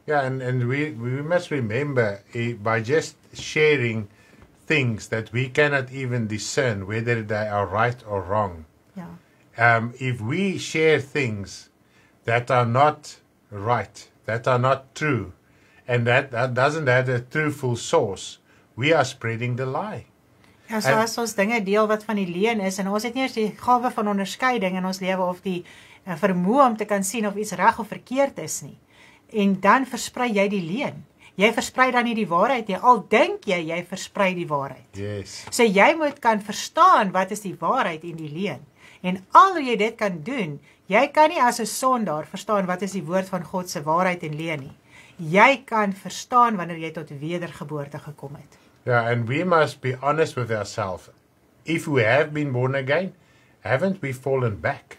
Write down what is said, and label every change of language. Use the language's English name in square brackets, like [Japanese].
[English] Ja, and we must remember by just sharing things that we cannot even discern whether they are right or wrong. Yeah. If we share things that are not right, that are not true, and that doesn't have a truthful source, we are spreading the lie. [Afrikaans] Ja, so as ons dinge deel wat van die leuen is, en ons het nie eers die gawe van onderskeiding in ons lewe of die vermoë om te kan sien of iets reg of verkeerd is nie, en dan versprei jy die leuen. Jy versprei dan nie die waarheid nie, al dink jy versprei die waarheid. [English] Yes. [Afrikaans] So jy moet kan verstaan wat is die waarheid en die leuen. En al hoe jy dit kan doen, jy kan nie as 'n sondaar verstaan wat is die woord van God se waarheid en leuen nie. Jy kan verstaan wanneer jy tot wedergeboorte gekom het. [English] Ja, yeah, and we must be honest with ourselves. If we have been born again, haven't we fallen back?